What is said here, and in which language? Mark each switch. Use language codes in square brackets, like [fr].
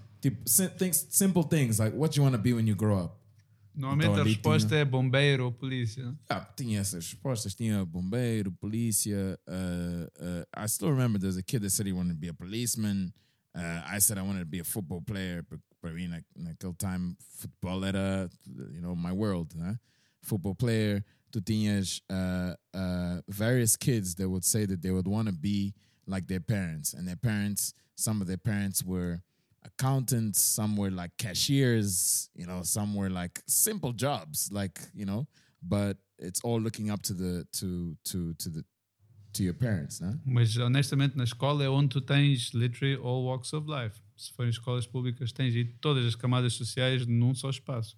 [en] Tipo, simple things, like what you want to be when you grow up. [pt] Normalmente então, a resposta tinha... é bombeiro ou polícia. Ah, tinha essas respostas. Tinha bombeiro, polícia. [en] I still remember there's a kid that said he wanted to be a policeman. I said I wanted to be a football player. But I mean, like, [pt] naquele time, futebol era, [en] you know, my world, né? Football player. [pt] Tu tinhas [en] various kids that would say that they would want to be like their parents. And their parents, some of their parents were accountants, some were like cashiers, you know, some were like simple jobs, like, you know, but it's all looking up to the to your parents, né? [pt] Mas honestamente, na escola é onde tu tens [en] literally all walks of life. [pt] Se forem escolas públicas, tens e todas as camadas sociais num só espaço.